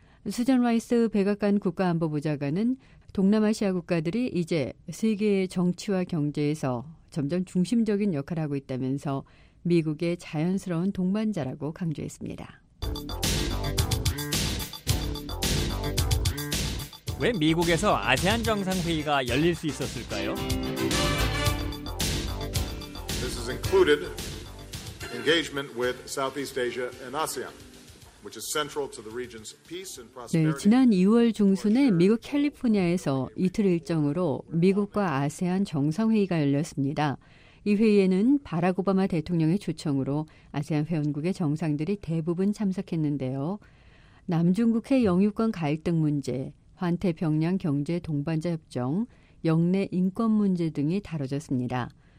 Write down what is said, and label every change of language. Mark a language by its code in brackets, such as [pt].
[ko] 수잔 라이스 백악관 국가안보보좌관은 동남아시아 국가들이 이제 세계의 정치와 경제에서 점점 중심적인 역할을 하고 있다면서 미국의 자연스러운 동반자라고 강조했습니다. 왜 미국에서 아세안 정상회의가 열릴 수 있었을까요? [en] This is included engagement with Southeast Asia and ASEAN, which is central to the region's peace and prosperity. [ko] 네, 지난 2월 중순에 미국 캘리포니아에서 이틀 일정으로 미국과 아세안 정상회의가 열렸습니다. 이 회의에는 바락 오바마 대통령의 초청으로 아세안 회원국의 정상들이 대부분 참석했는데요. 남중국해 영유권 갈등 문제, 환태평양 경제 동반자 협정, 영내 인권 문제 등이 다뤄졌습니다.